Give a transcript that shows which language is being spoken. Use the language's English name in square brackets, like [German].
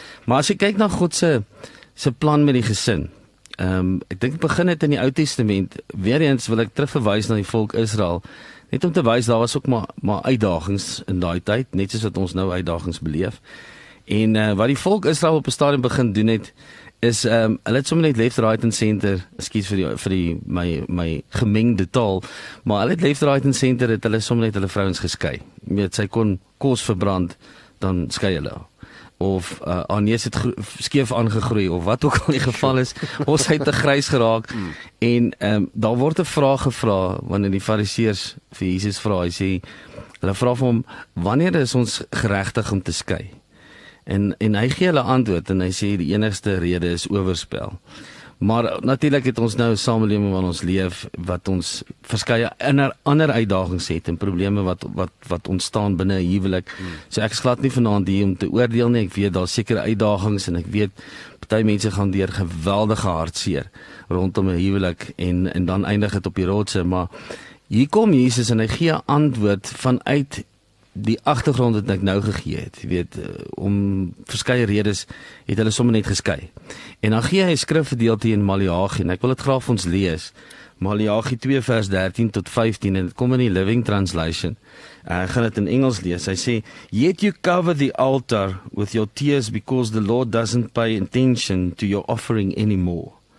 [Afrikaans] Maar as jy kyk na God se plan met die gesin, ek dink het begin het in die Ou Testament, weer eens wil ek terugverwys na die volk Israel, net om te wys, daar was ook maar uitdagings in daai tyd, net soos wat ons nou uitdagings beleef. En wat die volk Israel op 'n stadium begin doen het, is hulle het sommer net left, right and center, excuse vir die my gemengde taal, maar hulle het left, right and center, het hulle sommer net hulle vrouens geskei. Jy weet, sy kon kos verbrand, dan skei hulle. Of Anees het skeef aangegroei, of wat ook al die geval is, ons het te grys geraak. En daar word 'n vraag gevra, wanneer die fariseers vir Jesus vra, hy sê, hulle vra vir hom, wanneer is ons geregtig om te skei? En hy gee hulle antwoord en hy sê die enigste rede is owerspel. Maar natuurlik het ons nou 'n samelewing waarin ons leef wat ons verskeie ander uitdagings het en probleme wat ontstaan binne 'n huwelik. So ek is glad nie vanaand hier om te oordeel nie. Ek weet daar sekere uitdagings en ek weet party mense gaan deur geweldige hartseer rondom 'n huwelik en dan eindig dit op die rotse, maar hier kom Jesus en hy gee antwoord vanuit die agtergrond wat ek nou gegee het, weet, om verskeie redes het hulle sommer net geskei. En dan gee hy 'n skrifgedeelte in Maleagi en ek wil dit graag vir ons lees. Maleagi 2 vers 13 tot 15 en dit kom in die Living Translation. Ek gaan dit in Engels lees. [English] Hy sê, "Yet you cover the altar with your tears because the Lord doesn't pay attention to your offering anymore.